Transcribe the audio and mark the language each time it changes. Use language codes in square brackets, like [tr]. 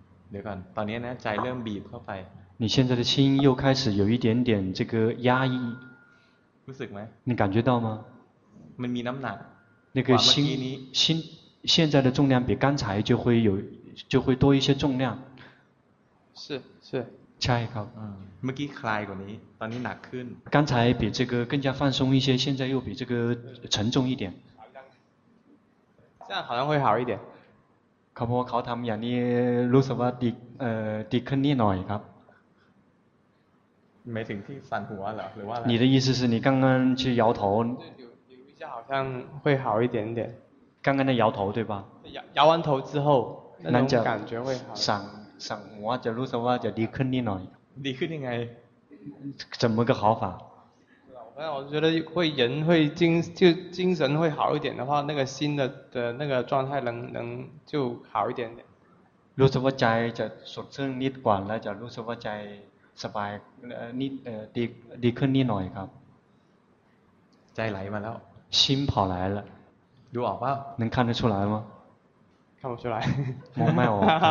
[th] เดี๋ยวก่อนตอนนี้นะใจเริ่มบีบเข้าไป [zh] 你现在的心又开始有一点点这个压抑 [th] รู้สึกไ [zh] หม你感觉到吗 [th] มันมีน้ำหนัก นี่คือ [zh] 心现在的重量比刚才就会有就会多一些重量是是 [th] ใช่ครับ เมื่อกี้คลายกว่านี้ตอนนี้หนักขึ้น [zh] 刚才比这个更加放松一些现在又比这个沉重一点这样好像会好一点 [th] เขาบอกว่าเขาทำอย่างนี้รู้สึกว่าดีขึ้นนิดหน่อยครับ ไม่ถึงที่สั่นหัวเหรอหรือว่าอะไร [zh] 你的意思是你刚刚去摇头留一下好像会好一点点刚刚的摇头对吧摇完头之后那种感觉会好 [th] สั่นหัวจะรู้สึกว่าจะดีขึ้นนิดหน่อย ดีขึ้นยังไง [zh] 怎么个好法我觉得会人会 精神会好一点的话那个心 的那个状态 能就好一点点 [th] รู้สึกว่าใจจะสดชื่นนิดกว่าแล้วจะรู้สึกว่าใจสบายนิดดีขึ้นนิดหน่อยครับ ใจไหลมาแล้ว [zh] 心跑来了 [th] ดูออกป่ะ [zh] 能看得出来吗看不出来 [th] มองไม่ออก